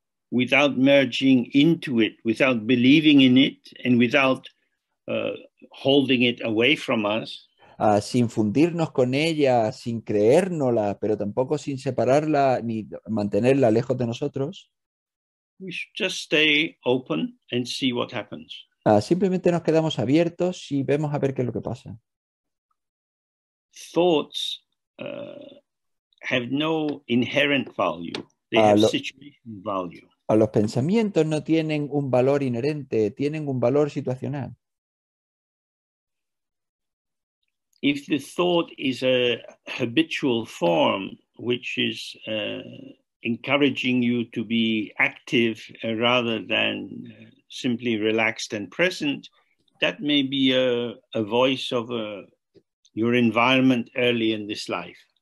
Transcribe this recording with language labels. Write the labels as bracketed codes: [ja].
[en] Without merging into it, without believing in it, and without holding it away from us. [es] Sin fundirnos con ella, sin creérnosla, pero tampoco sin separarla ni mantenerla lejos de nosotros. [en] We should just stay open and see what happens. [es] Simplemente nos quedamos abiertos y vemos a ver qué es lo que pasa. [en] Thoughts have no inherent value. They have situational value. [es] A los pensamientos no tienen un valor inherente, tienen un valor situacional. [en] If the thought is a habitual form, which is encouraging you to be active rather than simply relaxed and present, that may be a voice of your environment early in this life.